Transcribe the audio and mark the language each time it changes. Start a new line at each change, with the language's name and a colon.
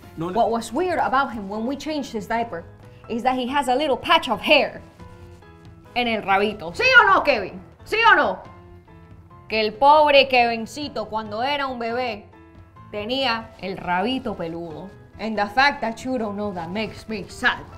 English: What was weird about him when we changed his diaper is that he has a little patch of hair
Spanish: en el rabito. ¿Sí o no, Kevin? ¿Sí o no? Que el pobre Kevincito, cuando era un bebé, tenía el rabito peludo.
English: And the fact that you don't know that makes me sad.